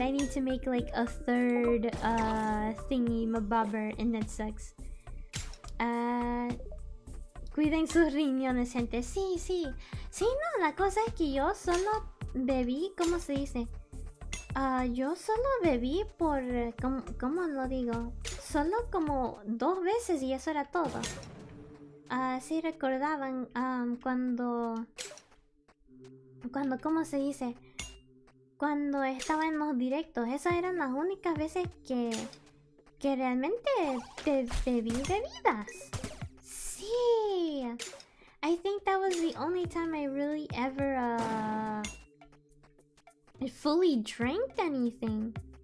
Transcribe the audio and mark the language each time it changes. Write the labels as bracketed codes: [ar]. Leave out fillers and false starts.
[en] I need to make like a third thingy mabobber and that sucks. [es] Cuiden sus riñones, gente. Sí, sí. Sí, no, la cosa es que yo solo bebí, ¿cómo se dice? Yo solo bebí por, ¿cómo lo digo? Solo como dos veces y eso era todo. Sí, recordaban cuando, ¿cómo se dice? Cuando estaba en los directos, esas eran las únicas veces que realmente bebí bebidas. Sí. [en] I think that was the only time I really ever fully drank anything.